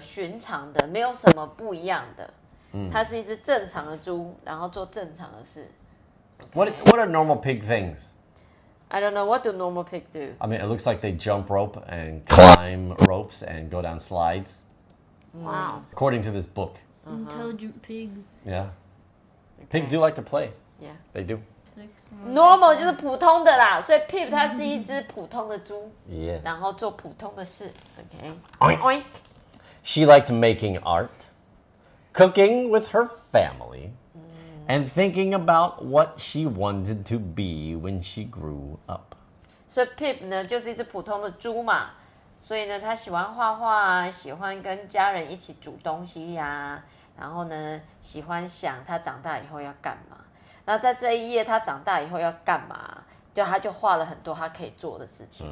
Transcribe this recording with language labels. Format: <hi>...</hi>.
<zh>寻常的、没有什么不一样的。它是一只正常的猪,然后做正常的事。</zh> <en>Okay. What are normal pig things? I don't know, what do normal pig do? I mean, it looks like they jump rope and climb ropes and go down slides. Wow. According to this book. Intelligent pig. Yeah. Pigs do like to play. Yeah. They do.</en> <zh>Normal 就是普通的啦,所以 Pip 它是一只普通的猪。</zh> <en>Yes.</en> <zh>然后做普通的事。Okay. Oink. Oink.</zh> <en>She liked making art, cooking with her family. And thinking about what she wanted to be when she grew up.</en> <zh>So Pip 呢就是一只普通的猪嘛，所以呢他喜欢画画，喜欢跟家人一起煮东西呀、然后呢喜欢想他长大以后要干嘛。那在这一页他长大以后要干嘛，就他就画了很多他可以做的事情。</zh>